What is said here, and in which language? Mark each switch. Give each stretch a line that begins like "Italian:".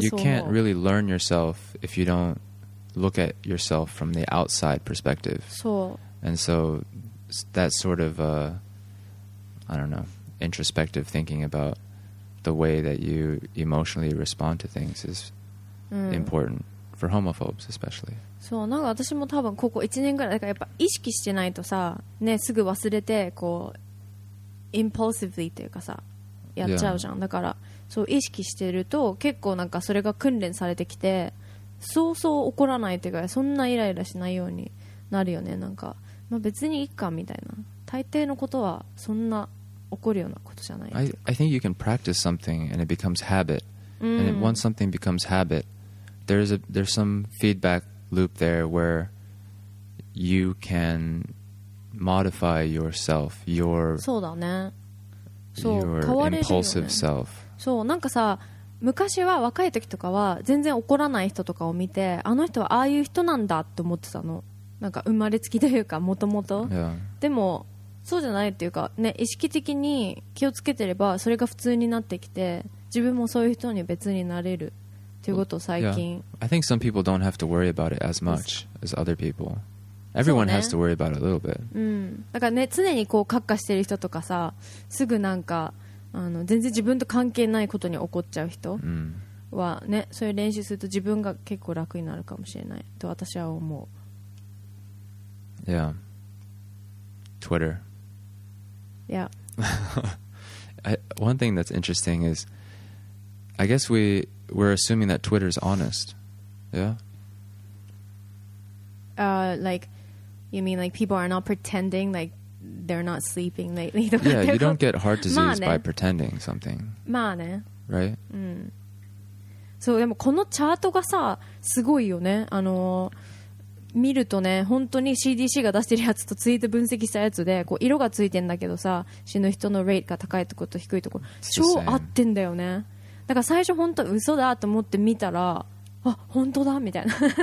English: you can't really learn yourself if you don't look at yourself from the outside perspective. So, and so that sort of,、I don't know, introspective thinking about the way that you emotionally respond to things is、important for homophobes especially.
Japanese: そう、なんか私も多分ここ1年ぐらいだからやっぱ意識してないとさ、ね、すぐ忘れてこうインポルシブリーというかさやっちゃうじゃん、yeah. だからそう意識してると結構なんかそれが訓練されてきて、そうそう怒らないというか、そんなイライラしないようになるよね、なんか、まあ、別にいいかみたいな、大抵のことはそんな怒るようなことじゃない、
English: I think you can practice something and it becomes habit、and once something becomes habit there's some feedbackloop there where you can modify yourself, your
Japanese: そうだね、そう変われるよね、そう、なんかさ昔は若い時とかは全然怒らない人とかを見て、あの人はああいう人なんだって思ってたの、なんか生まれつきというかもともと、でもそうじゃないっていうかね、意識的に気をつけてればそれが普通になってきて、自分もそういう人に別になれるということ最近、
English: I think some people don't have to worry about it as much as other people. Everyone、has to worry about it a little bit.
Japanese: だからね、常にこうカッカしてる人とかさ、すぐなんかあの全然自分と関係ないことに怒っちゃう人はね、そういう練習すると自分が結構楽になるかもしれないと私は思う。
English: Yeah. Twitter. Yeah. One thing that's interesting is, I guess we're assuming that Twitter's honest. Yeah? Like, you mean like people are not pretending like they're not sleeping lately? Yeah, you don't get heart disease by pretending something.
Japanese: まあね。
English: Right?
Japanese: そう、でもこのチャートがさ、すごいよね。あの、見るとね、本当に CDC が出してるやつとツイート分析したやつで、こう色がついてんだけどさ、死ぬ人のレートが高いとこと低いところ、超合ってんだよね。だから最初本当嘘だと思って見たら、あ、本当だみたいな。